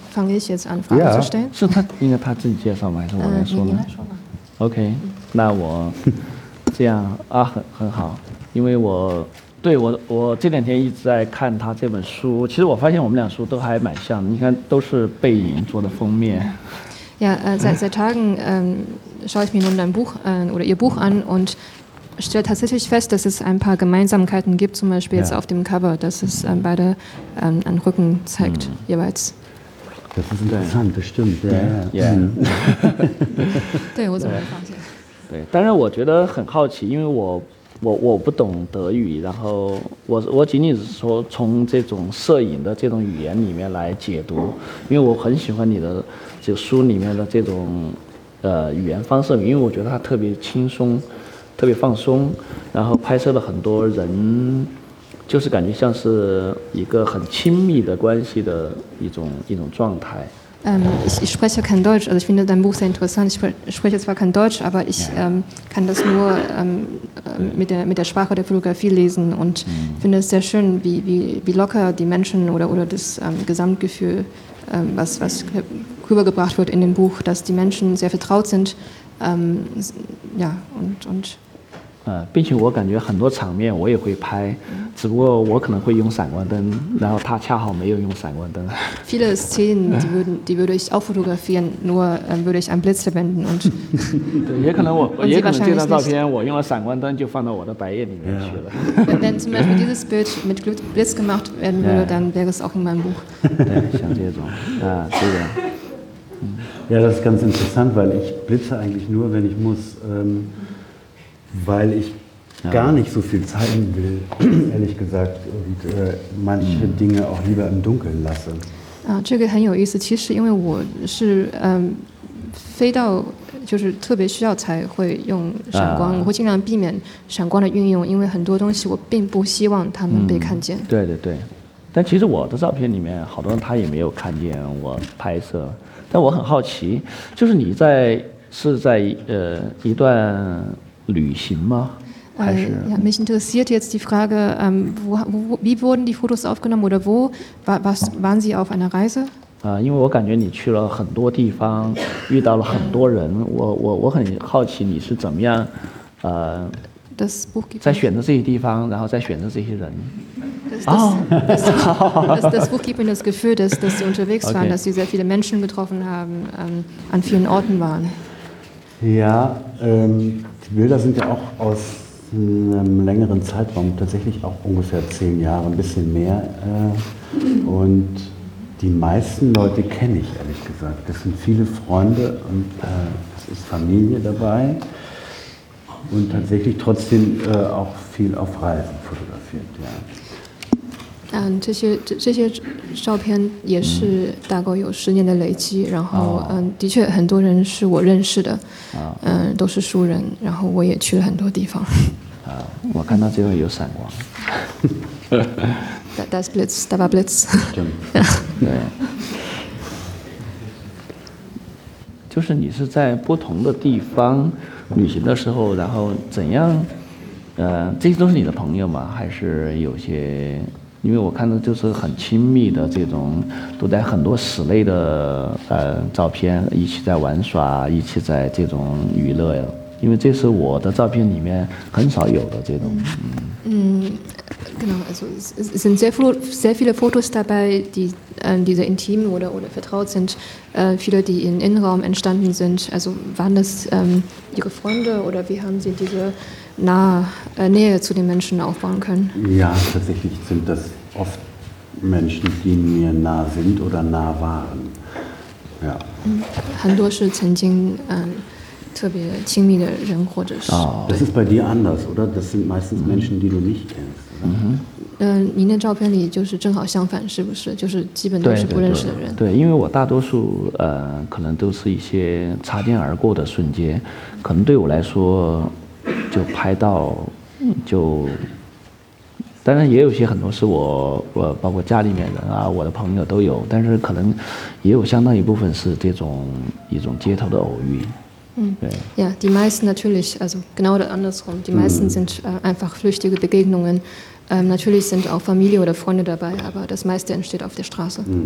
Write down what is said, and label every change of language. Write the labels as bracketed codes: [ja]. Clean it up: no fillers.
[de] fange ich jetzt an, Fragen zu stellen. Ja, ist er, er soll sich selbst vorstellen, oder soll ich sagen? Okay, dann... [zh] 这样啊，很好，因为我对我这两天一直在看他这本书，其实我发现我们俩书都还蛮像的，你看都是背影做的封面。 [de] Ja, seit Tagen schaue ich mir nun dein Buch oder ihr Buch an und stelle tatsächlich fest, dass es ein paar Gemeinsamkeiten gibt, zum Beispiel jetzt auf dem Cover, dass es beide einen Rücken zeigt jeweils. Das ist interessant, das stimmt. Ja. [zh] 对，我怎么发现？对，当然我觉得很好奇，因为我不懂德语，然后我仅仅是说从这种摄影的这种语言里面来解读，因为我很喜欢你的这书里面的这种语言方式，因为我觉得它特别轻松，特别放松，然后拍摄了很多人，就是感觉像是一个很亲密的关系的一种状态。 Ich spreche kein Deutsch, also ich finde dein Buch sehr interessant. Ich spreche zwar kein Deutsch, aber ich kann das nur mit der Sprache der Fotografie lesen und finde es sehr schön, wie locker die Menschen oder das Gesamtgefühl, was rübergebracht wird in dem Buch, dass die Menschen sehr vertraut sind. Und 并且我感觉很多场面我也会拍，只不过我可能会用闪光灯，然后他恰好没有用闪光灯。 [de] Viele Szenen, die würde ich auch fotografieren, nur würde ich einen Blitz verwenden und. [zh] 对，也可能这张照片我用了闪光灯就放到我的白页里面去了。 [de] Wenn zum Beispiel dieses Bild mit Blitz gemacht werden würde, dann wäre es auch in meinem Buch. [zh] 对，像这种啊，这个。 [de] Ja, das ist ganz interessant, weil ich blitze eigentlich nur, wenn ich muss. Weil ich gar nicht so viel zeigen will, ehrlich gesagt, und manche Dinge auch lieber im Dunkeln lasse. [zh] Ah, 这个很有意思。其实因为我是飞到就是特别需要才会用闪光，我会尽量避免闪光的运用，因为很多东西我并不希望他们被看见。对对对，但其实我的照片里面好多人他也没有看见我拍摄，但我很好奇，就是你是在一段。旅行吗？还是？ [de] Mich interessiert jetzt die Frage, wie wurden die Fotos aufgenommen oder waren Sie auf einer Reise? [zh] 因为我感觉你去了很多地方，遇到了很多人，我很好奇你是怎么样， [de] Das Buch gibt [zh] 在选择这些地方，然后再选择这些人。 [de] Das Buch gibt mir das Gefühl, dass Sie unterwegs waren, dass Sie sehr viele Menschen getroffen haben, an vielen Orten waren. Ja. Die Bilder sind ja auch aus einem längeren Zeitraum, tatsächlich auch ungefähr 10 Jahre, ein bisschen mehr. Und die meisten Leute kenne ich, ehrlich gesagt. Das sind viele Freunde und es ist Familie dabei. Und tatsächlich trotzdem auch viel auf Reisen fotografiert. Ja. [zh] 这些照片也是大概有10年的累积，然后的确很多人是我认识的，都是熟人，然后我也去了很多地方。我看到这个有闪光。 [en] That's Blitz, that was Blitz. [zh] 对，就是你是在不同的地方旅行的时候，然后怎样？这些都是你的朋友吗？还是有些？因为我看到就是很亲密的这种，都在很多室内的照片，一起在玩耍，一起在这种娱乐呀。因为这是我的照片里面很少有的这种。 [de] Genau, also es sind sehr viele Fotos dabei, die sehr intim oder vertraut sind. Viele, die im Innenraum entstanden sind. Also waren das Ihre Freunde oder wie haben Sie diese Nähe zu den Menschen aufbauen können. Ja, tatsächlich sind das oft Menschen, die mir nah sind oder nah waren. Ja. [zh] 很多是曾经特别亲密的人或者是。 [de] Das ist bei dir anders, oder? Das sind meistens Menschen, die du nicht kennst. [zh] 您的照片里就是正好相反，是不是？就是基本都是不认识的人。对，因为我大多数可能都是一些擦肩而过的瞬间，可能对我来说就拍到，就当然也有些很多是我包括家里面人啊，我的朋友都有，但是可能也有相当一部分是这种街头的偶遇。 [de] Ja, die meisten natürlich, also genau anders rum. Die meisten sind einfach flüchtige Begegnungen. Natürlich sind auch Familie oder Freunde dabei, aber das meiste entsteht auf der Straße.